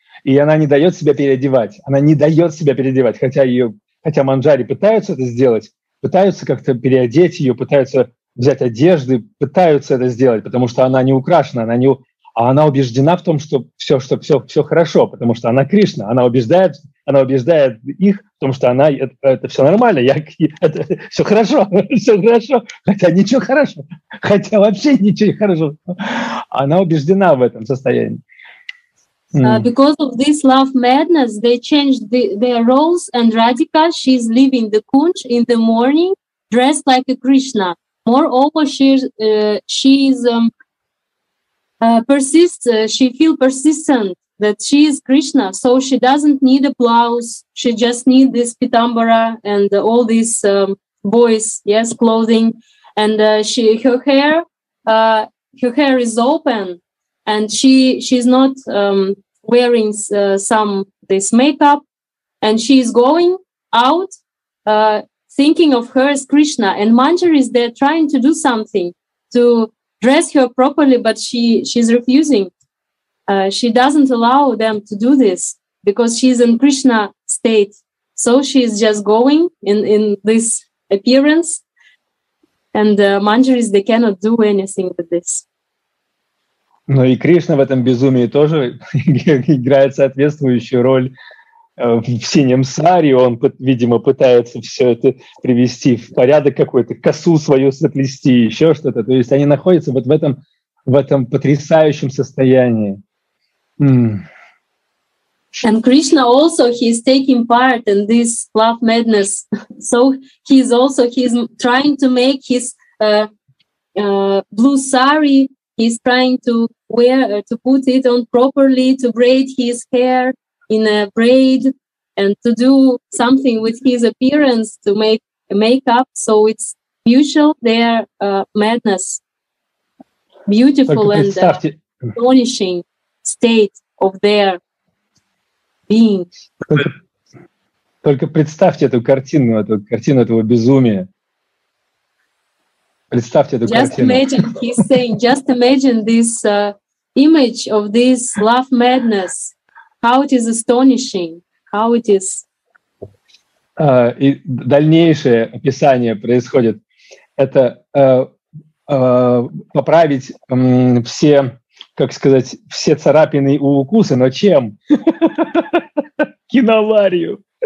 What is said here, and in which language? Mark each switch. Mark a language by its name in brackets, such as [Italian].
[Russian] И она не дает себя переодевать. Она не дает себя переодевать, хотя Манджари пытаются это сделать, пытаются как-то переодеть ее, пытаются взять одежды, пытаются это сделать, потому что она не украшена, а она убеждена в том, что все хорошо, потому что она Кришна. Она убеждает их в том, что она это все нормально, все хорошо, хотя ничего хорошо, хотя вообще ничего не хорошо. Она убеждена в этом состоянии. [English] Because of this love madness, they changed their roles, and Radhika, she's leaving the Kunj in the morning dressed like a Krishna. Moreover, she feels persistent that she is Krishna, so she doesn't need a blouse, she just needs this pitambara and all these boys, yes, clothing. And her hair is open, and she's not wearing some this makeup, and she is going out thinking of her as Krishna. And Manjaris, they're trying to do something to dress her properly, but she's refusing. She doesn't allow them to do this because she's in Krishna state. So she's just going in this appearance, and Manjaris, they cannot do anything with this. [Russian] Но и Кришна в этом безумии тоже играет соответствующую роль. В синем саре он, видимо, пытается все это привести в порядок какой-то, косу свою соплести, еще что-то. То есть они находятся вот в этом потрясающем состоянии. [English] And Krishna also, he is taking part in this love madness. So he's trying to make his blue sari. He's trying to wear, to put it on properly, to braid his hair in a braid, and to do something with his appearance to make makeup, so it's mutual their madness, beautiful and astonishing state of their being. [Russian] Только представьте эту картину этого безумия. Представьте эту [English] just [Russian] картину. [English] Imagine, he's saying, just imagine this image of this love madness. How it is astonishing. How it is. [Russian] И дальнейшее описание происходит. Это поправить все, как сказать, все царапины и укусы, но чем? Киноварью.